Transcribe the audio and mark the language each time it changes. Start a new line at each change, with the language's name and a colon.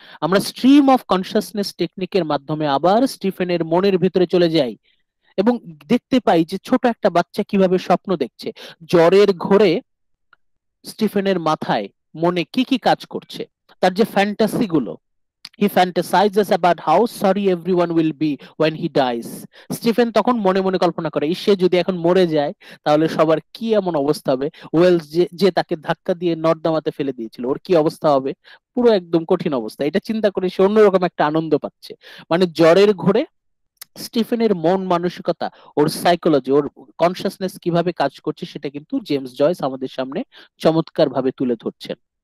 Bangla: আমরা stream of consciousness টেকনিকের মাধ্যমে আবার স্টিফেনের মনের ভিতরে চলে যাই এবং দেখতে পাই যে ছোট একটা বাচ্চা কিভাবে স্বপ্ন দেখছে, জ্বরের ঘোরে স্টিফেনের মাথায় মনে কি কি কাজ করছে, তার যে ফ্যান্টাসি গুলো।
English: He fantasizes about how sorry everyone will be when he dies.
Bangla: Stephen তখন মনে মনে কল্পনা করে, ইশে যদি এখন মরে যায় তাহলে সবার কি এমন অবস্থা হবে। ওয়েলস যে তাকে ধাক্কা দিয়ে নর্দমাতে ফেলে দিয়েছিল ওর কি অবস্থা হবে, পুরো একদম কঠিন অবস্থা। এটা চিন্তা করে সে অন্যরকম একটা আনন্দ পাচ্ছে। মানে জ্বরের ঘোরে স্টিফেনের মন মানসিকতা, ওর সাইকোলজি, ওর কনসিয়াসনেস কিভাবে কাজ করছে সেটা কিন্তু জেমস জয়েস আমাদের সামনে চমৎকার ভাবে তুলে ধরছেন।